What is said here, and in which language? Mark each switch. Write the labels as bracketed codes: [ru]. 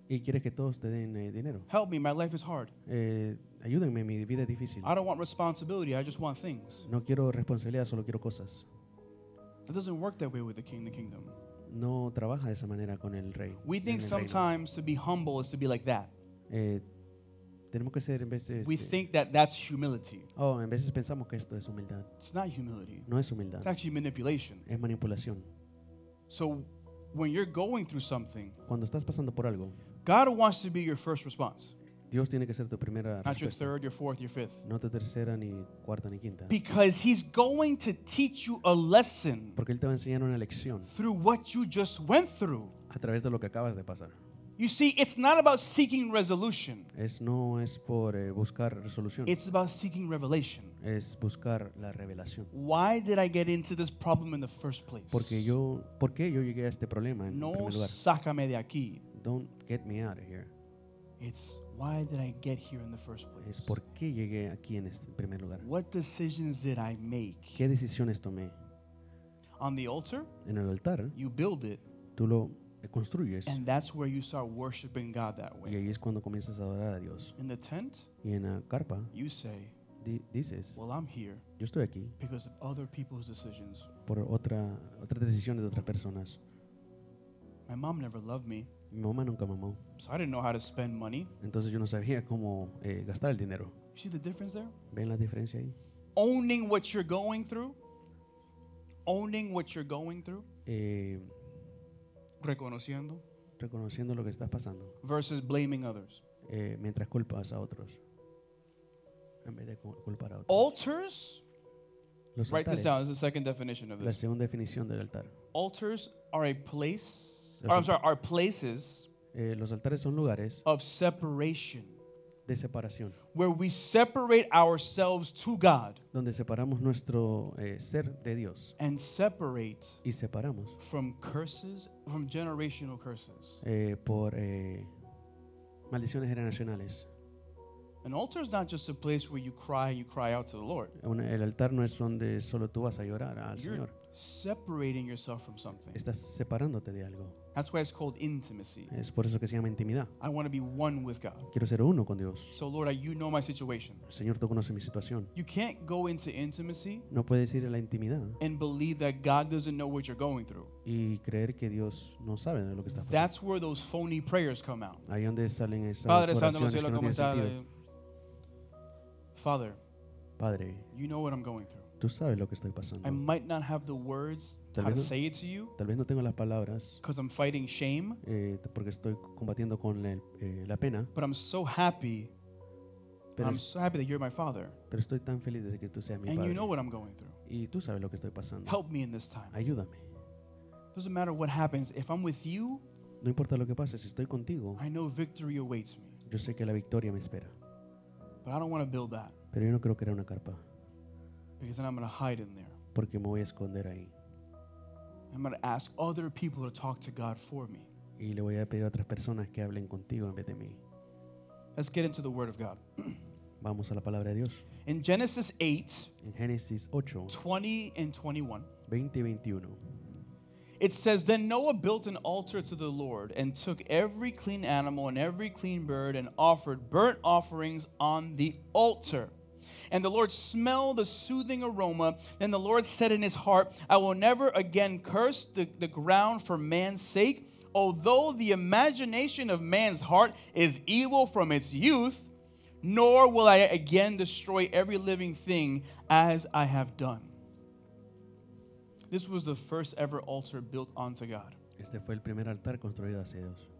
[es] Y quieres que todos te den dinero. [en] Help me, my life is hard. [es] Ayúdenme, mi vida es difícil. [en] I don't want responsibility, I just want things. [es] No quiero responsabilidad, solo quiero cosas. [en] It doesn't work that way with the kingdom. [es] No trabaja de esa manera con el rey. [en] We think sometimes to be humble is to be like that. [es] Tenemos que ser en veces. [en] We think that that's humility. [es] Oh, en veces pensamos que esto es humildad. [en] It's not humility. [es] No es humildad. [en] It's actually manipulation. [es] Es manipulación. [en] So when you're going through something, [es] cuando estás pasando por algo, [en] God wants to be your first response. [es] Dios tiene que ser tu primera respuesta. [en] Not your third, your fourth, your fifth. [es] No tu tercera, ni cuarta, ni quinta. [en] Because he's going to teach you a lesson. [es] Porque él te va a enseñar una lección. [en] Through what you just went through. [es] A través de lo que acabas de pasar. [en] You see, it's not about seeking resolution. [es] No es por buscar resolución. [en] It's about seeking revelation. [es] Es buscar la revelación. [en] Why did I get into this problem in the first place? [es] ¿Por qué yo llegué a este problema en no primer lugar? No, sácame de aquí. [en] Don't get me out of here. It's why did I get here in the first place? [es] Es por qué llegué aquí en este primer lugar. [en] What decisions did I make? [es] ¿Qué decisiones tomé? [en] On the altar? [es] En el altar. [en] You build it. [es] Tú lo construyes. [en] And that's where you start worshiping God that way. [es] Y ahí es cuando comienzas a adorar a Dios. [en] In the tent? [es] Y en la carpa. [en] You say, [es] dices, [en] well, I'm here. [es] Yo estoy aquí. [en] Because of other people's decisions. [es] Por otras decisiones de otras personas. [en] My mom never loved me. [es] Mi mamá nunca me amó. [en] So I didn't know how to spend money. [es] Entonces yo no sabía cómo gastar el dinero. [en] You see the difference there? [es] ¿Ven la diferencia ahí? [en] Owning what you're going through. Owning what you're going through. [es] reconociendo lo que estás pasando. Versus blaming others. Mientras culpas a otros. En vez de culpar a otros. [en] Altars. [es] Los [en] write [es] altares, [en] this down. This is the second definition of this. [es] La segunda definición del altar. [en] Altars are a place. Are places. [es] Los altares son lugares. [en] Of separation. [es] De separación. [en] Where we separate ourselves to God. [es] Donde separamos nuestro ser de Dios. [en] And separate. [es] Y separamos. [en] From curses, from generational curses. [es] Maldiciones generacionales. [en] An altar is not just a place where you cry and you cry out to the Lord. [es] El altar no es donde solo tú vas a llorar al [en] You're [es] Señor. [en] Separating yourself from something. [es] Estás separándote de algo. [en] That's why it's called intimacy. [es] Es por eso que se llama intimidad. [en] I want to be one with God. [es] Quiero ser uno con Dios. [en] So Lord, you know my situation. [es] Señor, tú conoces mi situación. [en] You can't go into intimacy. [es] No puedes ir a la intimidad. [en] And believe that God doesn't know what you're going through. [es] Y creer que Dios no sabe lo que estás pasando. [en] That's where those phony prayers come out. [es] Ahí donde salen esas oraciones que no tienen sentido. [en] Father, [es] Padre, [en] you know what I'm going through. [es] Tú sabes lo que estoy pasando. [en] I might not have the words to say it to you. [es] Tal vez no tengo las palabras. [en] Because I'm fighting shame. [es] Porque estoy combatiendo con la pena. [en] But I'm so happy. I'm so happy that you're my father. [es] Pero estoy tan feliz de que tú seas mi padre. [en] And you know what I'm going through. [es] Y tú sabes lo que estoy pasando. [en] Help me in this time. [es] Ayúdame. [en] Doesn't matter what happens if I'm with you. [es] No importa lo que pase si estoy contigo. [en] I know victory awaits me. [es] Yo sé que la victoria me espera. [en] But I don't want to build that. [es] Pero yo no quiero crear una carpa. [en] Because then I'm going to hide in there. [es] Porque me voy a esconder ahí. [en] I'm going to ask other people to talk to God for me. [es] Y le voy a pedir a otras personas que hablen contigo en vez de mí. [en] Let's get into the Word of God. [es] Vamos a la palabra de Dios. [en] In Genesis 8, [es] en Génesis 8, [en] 20 and 21, [es] 20 y 21, [en] it says, Then Noah built an altar to the Lord and took every clean animal and every clean bird and offered burnt offerings on the altar. And the Lord smelled the soothing aroma. Then the Lord said in his heart, I will never again curse the ground for man's sake. Although the imagination of man's heart is evil from its youth, nor will I again destroy every living thing as I have done. This was the first ever altar built unto God. [es] Este fue el primer altar construido hacia Dios.